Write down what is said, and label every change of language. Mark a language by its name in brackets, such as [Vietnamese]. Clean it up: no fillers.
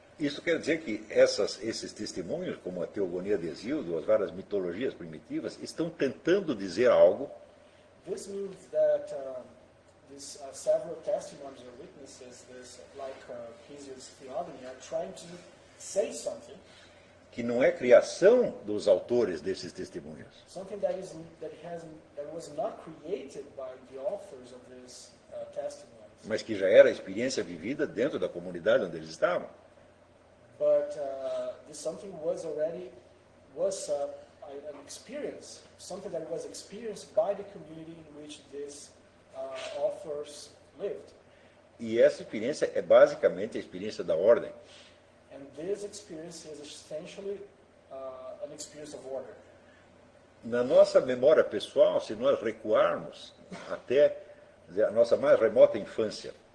[Portuguese] Isso quer dizer que esses testemunhos, como a Teogonia de Hesíodo, as várias mitologias primitivas, estão tentando dizer algo. [English] This means that several testimonies or witnesses, Hesíodo's Theogony, are trying to say something. [Portuguese] Que não é criação dos autores desses testemunhos. [English] Something that was not created by the authors of this testimony. [Portuguese] Mas que já era a experiência vivida dentro da comunidade onde eles estavam. [English] But this something was already an experience, something that was experienced by the community in which these authors lived. [Portuguese] E essa experiência é basicamente a experiência da ordem. [English] And this experience is essentially an experience of order. [Portuguese] Na nossa memória pessoal, se nós recuarmos até a nossa mais remota infância.